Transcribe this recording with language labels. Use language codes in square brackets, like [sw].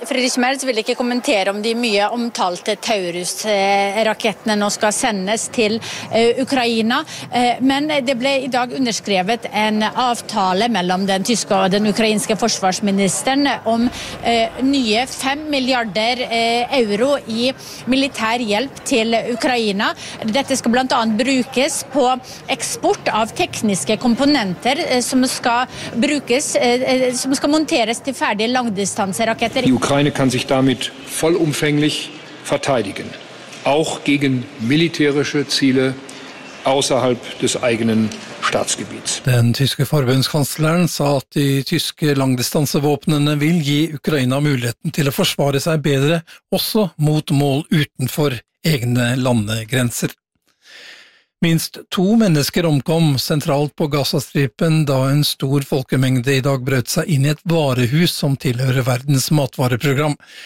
[no] Friedrich Merz vil ikke kommentere om de mye omtalte Taurus-rakettene nå skal sendes til Ukraina, men det ble I dag underskrevet en avtale mellom den tyske og den ukrainske forsvars ministeren om nye 5 milliarder euro I militær hjelp til Ukraina. Dette skal blant annet brukes på eksport av tekniske komponenter som skal monteres til ferdige langdistanseraketter. [de] Ukraina kan sich damit vollumfänglich verteidigen, auch gegen militärische Ziele außerhalb des eigenen statsgebiets. [no] Den tyske forbundskansleren sa at de tyske langdistansevåpnene vil gi Ukraina muligheten til å forsvare seg bedre, også mot mål utenfor egne landegrenser. Minst to mennesker omkom sentralt på Gazastripen da en stor folkemengde I dag brøt seg inn I et varehus som tilhører verdens matvareprogram.